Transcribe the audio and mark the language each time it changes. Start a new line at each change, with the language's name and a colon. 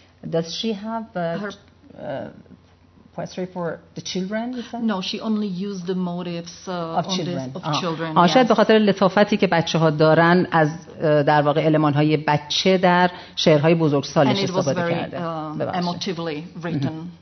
English: Does she have her poetry for the children, you said? No, she only used the motives of children. آه.
Persian: شاید به خاطر لطافتی که بچه ها دارن از در واقع المان های بچه در شعر های بزرگ سالش استفاده کرده.
English: And it was very emotively written.